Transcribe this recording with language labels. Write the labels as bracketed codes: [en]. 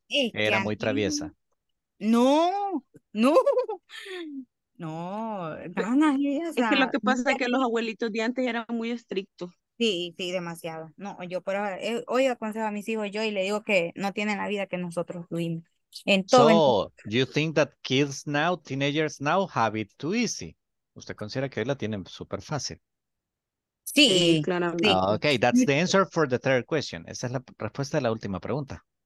[es] Era muy traviesa. No. Ganas y esa. Es que lo que pasa es que los abuelitos de antes eran muy estrictos. Sí, demasiado. No, yo por ahora, hoy aconsejo a mis hijos yo y le digo que no tienen la vida que nosotros tuvimos. [en] You think that kids now, teenagers now, have it too easy? [es] ¿Usted considera que hoy la tienen súper fácil? Sí, claramente. [en] Ok, that's the answer for the third question. [es] Esa es la respuesta de la última pregunta.